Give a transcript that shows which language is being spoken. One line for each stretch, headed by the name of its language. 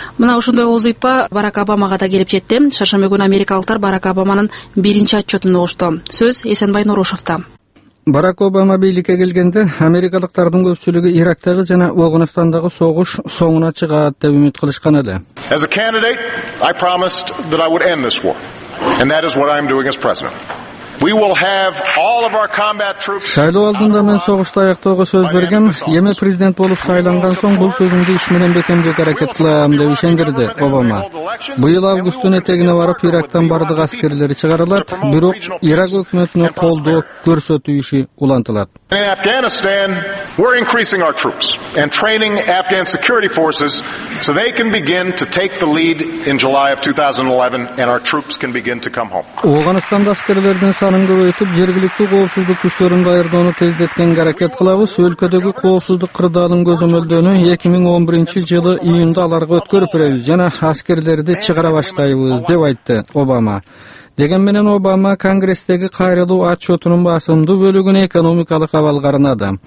Kyrgyz: Мына ошондой ооз ыйпа Барак Обамага да келип жетти. Шаршамба күнү америкалыктар Барак Обаманын биринчи отчетун угушту. Сөз Эсенбай Норошовдо. Барак Обама бийликке келгенде америкалыктардын көпчүлүгү Ирактагы жана Афганистандагы согуш соңуна чыгат деп үмүт кылышкан эле.
English: As a candidate, I promised that I would end this war. And that is what I am doing as president. We will have all of our combat troops.
Kyrgyz: Шайлоо алдында мен согушту аяктоого сөз бергем, эми президент болуп шайланган соң бул сөзүмдү иш менен бекемдөө аракет кылам деп ишендирди Обама. Быйыл августтун этегине барып Ирактан бардык аскерлери чыгарылат, бирок Ирак өкмөтүнө колдоо көрсөтүү иши улантылат.
English: In Afghanistan, we're increasing our troops and training Afghan security forces so they can begin to take the lead in July of 2011 and our troops can begin to come home.
Kyrgyz: Афганистанда аскерлердин санын көбөйтүп, жергиликтүү коопсуздук күчтөрүн даярдоону тездеткенге аракет кылабыз. Өлкөдөгү коопсуздук кырдаалын көзөмөлдөөнү 2011-жылы июнда аларга өткөрүп беребиз жана аскерлерди чыгара баштайбыз деп айтты Обама. Деген менен Обама Конгресстеги кайрылуу отчетунун басымдуу бөлүгүн экономикалык абалга арнады.